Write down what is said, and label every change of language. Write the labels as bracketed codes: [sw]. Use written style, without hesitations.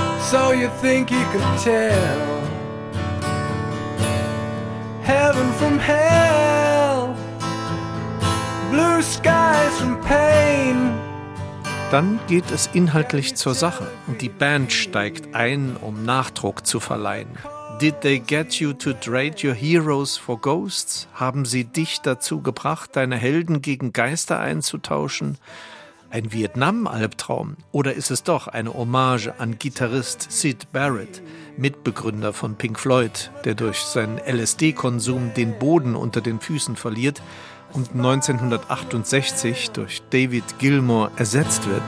[en] So you think you can tell heaven from hell, blue skies from pain. [de] Dann geht es inhaltlich zur Sache und die Band steigt ein, um Nachdruck zu verleihen. [en] Did they get you to trade your heroes for ghosts? [de] Haben sie dich dazu gebracht, deine Helden gegen Geister einzutauschen? Ein Vietnam-Albtraum? Oder ist es doch eine Hommage an Gitarrist Syd Barrett, Mitbegründer von Pink Floyd, der durch seinen LSD-Konsum den Boden unter den Füßen verliert und 1968 durch David Gilmour ersetzt wird?